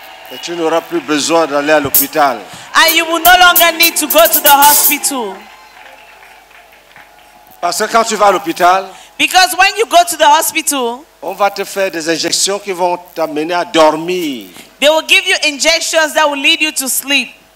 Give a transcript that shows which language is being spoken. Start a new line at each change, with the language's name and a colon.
French: Et tu n'auras plus besoin d'aller à l'hôpital.
English: And you will no longer need to go to the hospital.
French: Parce que quand tu vas à l'hôpital,
English: because when you go to the hospital,
French: on va te faire des injections qui vont t'amener à dormir.
English: They will give you injections that will lead you to sleep.